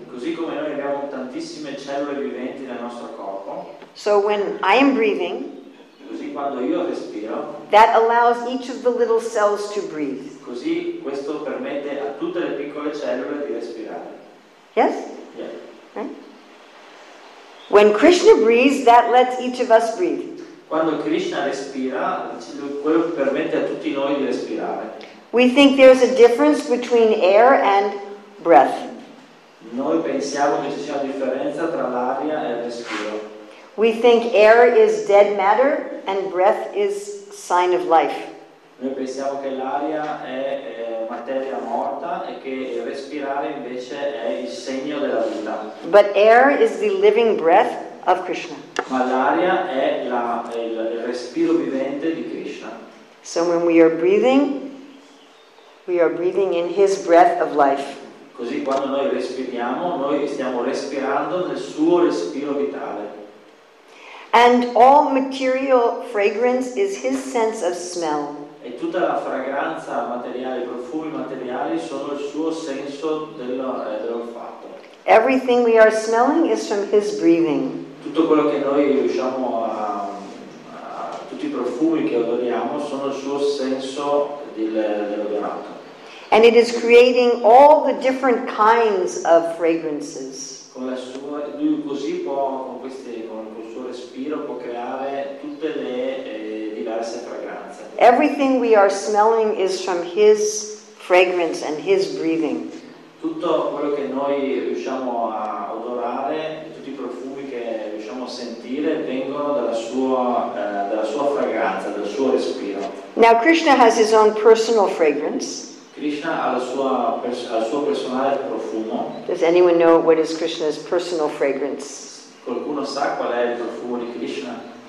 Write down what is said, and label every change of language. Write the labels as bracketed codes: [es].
[it] Così come noi abbiamo tantissime cellule viventi nel nostro corpo. [en] So when I am breathing, [it] così quando io respiro, [en] that allows each of the little cells to breathe. [it] Così questo permette a tutte le piccole cellule di respirare. [en] Yes? Yeah. Right? When Krishna breathes, that lets each of us breathe. [it] Quando Krishna respira, quello permette a tutti noi di respirare. [en] We think there's a difference between air and breath. [it] Noi pensiamo che ci sia una differenza tra l'aria e il respiro. [en] We think air is dead matter and breath is sign of life. [it] Noi pensiamo che l'aria è materia morta e che il respirare invece è il segno della vita. [en] But air is the living breath of Krishna. [it] Ma l'aria è il respiro vivente di Krishna. [en] So when we are breathing in his breath of life. [it] Così quando noi respiriamo, noi stiamo respirando nel suo respiro vitale. [en] And all material fragrance is his sense of smell. [it] e tutta la fragranza materiale, i profumi materiali sono il suo senso dell'olfatto. [en] Everything we are smelling is from his breathing. [it] Tutto quello che noi riusciamo tutti i profumi che odoriamo sono il suo senso dell'odorato. [en] And it is creating all the different kinds of fragrances. [it] Con la sua, lui così può, con queste, con il suo respiro può creare tutte le diverse fragranze. [en] Everything we are smelling is from his fragrance and his breathing. [it] Tutto quello che noi riusciamo a odorare, tutti i profumi che riusciamo a sentire, vengono dalla sua fragranza, dal suo respiro. [en] Now Krishna has his own personal fragrance. [it] Krishna ha il suo personale profumo. [en] Does anyone know what is Krishna's personal fragrance? [it] Qualcuno sa qual è il profumo di Krishna?